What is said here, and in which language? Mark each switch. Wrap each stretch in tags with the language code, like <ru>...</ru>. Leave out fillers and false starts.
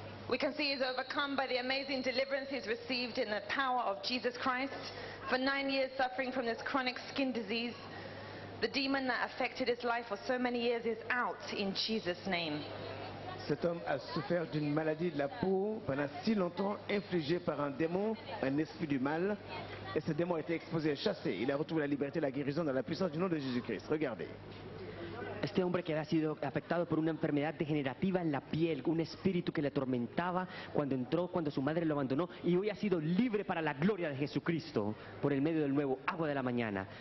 <en>We can see he's overcome by the amazing deliverance he's received in the power of Jesus Christ. For 9 years suffering from this chronic skin disease, the demon that affected his life for so many years is out in Jesus' name.</en> <fr>Cet homme a souffert d'une maladie de la peau pendant si longtemps, infligée par un démon, un esprit du mal. Et ce démon a été exposé et chassé. Il a retrouvé la liberté et la guérison dans la puissance du nom de Jésus-Christ. Regardez.</fr> <es>Este hombre que ha sido afectado por una enfermedad degenerativa en la piel, un espíritu que le atormentaba cuando entró, cuando su madre lo abandonó, y hoy ha sido libre para la gloria de Jesucristo por el medio del nuevo agua de la mañana.</es>